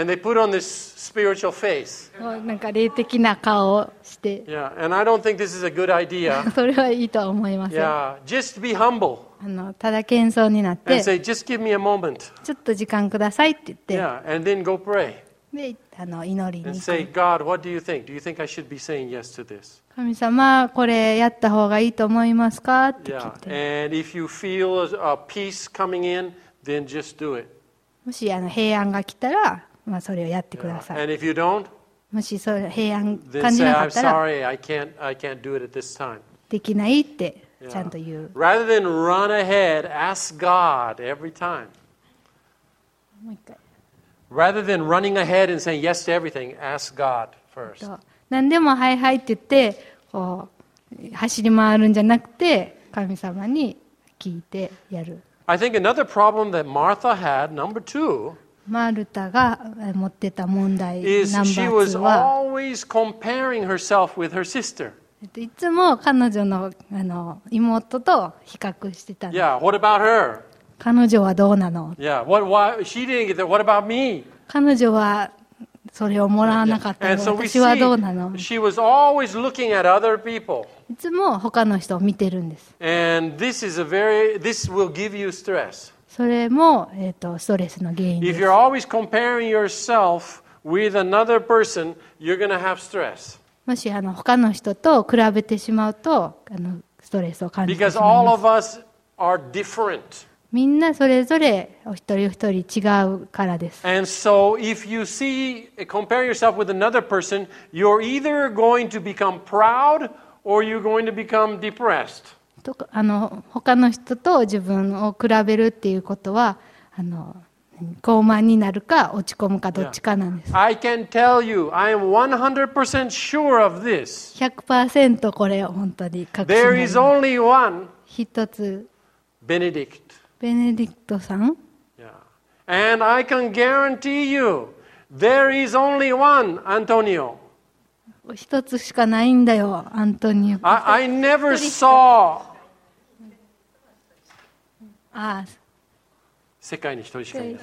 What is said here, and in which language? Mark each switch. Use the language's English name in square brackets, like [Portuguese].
[English] And they put on this spiritual face. [Japanese] なんか霊的な顔をして。 [English] Yeah. And I don't think this is a good idea. [Japanese] それはいいとは思いません。 [English] Yeah. Just be humble. [Japanese] ただ謙遜になって。 [English] And say, just give me a moment. [Japanese] ちょっと時間くださいって言って。 [English] Yeah. And then go pray. [Japanese] で祈りに。 [English] And say, God, what do you think? Do you think I should be saying yes to this? [Japanese] 神様、これやった方がいいと思いますかって聞いて。 [English] Yeah. And if you feel a peace coming in, then just do it. [Japanese] もし平安が来たら、まあ、それをやってください。 [English] And if you don't, [Japanese] もしそれ平安感じなかったら、 [English] then say, I'm sorry, I can't do it at this time. [Japanese] できないってちゃんと言う。 [English] Yeah. Rather than run ahead, ask God every time. [Japanese] もう一回。 [English] Rather than running ahead and saying yes to everything, ask God first. [Japanese] 何でもはいはいって言ってこう走り回るんじゃなくて神様に聞いてやる。 [English] I think another problem that Martha had, number two, [Japanese] マルタが持ってた問題、 [English] is she was always comparing herself with her sister. [Japanese] いつも彼女の、妹と比較してた。 [English] Yeah, what about her? [Japanese] 彼女はどうなの? [English] Yeah, what, why, she didn't get that. What about me? [Japanese] 彼女はそれをもらわなかったの。私はどうなの? [English] She was always looking at other people. [Japanese] いつも他の人を見てるんです。 [English] And this is a very, this will give you stress. [Japanese] それも、ストレスの原因です。 [English] If you're always comparing yourself with another person, you're going to have stress. [Japanese] もし他の人と比べてしまうと、ストレスを感じてしまう。 [English] Because all of us are different. [Japanese] みんなそれぞれお一人お一人違うからです。 [English] And so if you see, compare yourself with another person, you're either going to become proud. Or you're going to become depressed. [Japanese] 他の人と自分を比べるっていうことは傲慢になるか落ち込むかどっちかなんです。 [English] Yeah. I can tell you, I am 100% sure of this. [Japanese] 100% これ本当に確信。 [English] There is only one. [Japanese] 一つ。 [English] Benedict. [Japanese] Benedict さん。 [English] Yeah. And I can guarantee you, there is only one, Antonio. [Japanese] 一つしかないんだよ、アントニオ。 [English] I never saw. ああ。 [Japanese] 世界に一人しかいない。